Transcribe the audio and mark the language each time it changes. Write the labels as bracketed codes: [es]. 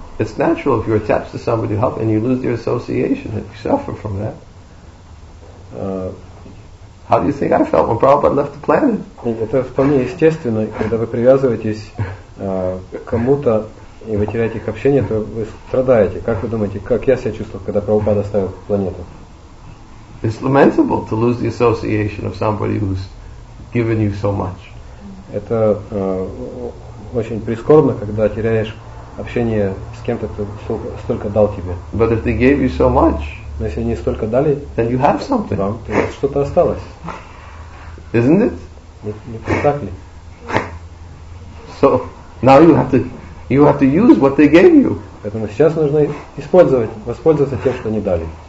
[en] It's natural if you're attached to somebody to help and you lose your association and you suffer from that. How do you think I felt when Prabhupada left the planet? [ru] Это вполне естественно, когда вы привязываетесь к кому-то и вы теряете их общение, то вы страдаете. Как вы думаете, как я себя чувствовал, когда Прабхупада оставил планету? [en] It's lamentable to lose the association of somebody who's given you so much. [ru] Это очень прискорбно, когда теряешь общение с кем-то, кто столько дал тебе. [en] But if they gave you so much, [ru] но если они столько дали, [en] then you have something. [ru] Вам то что-то осталось. [en] Isn't it? [ru] Не так ли? [en] So now you have to use what they gave you. [ru] Поэтому сейчас нужно воспользоваться тем, что они дали.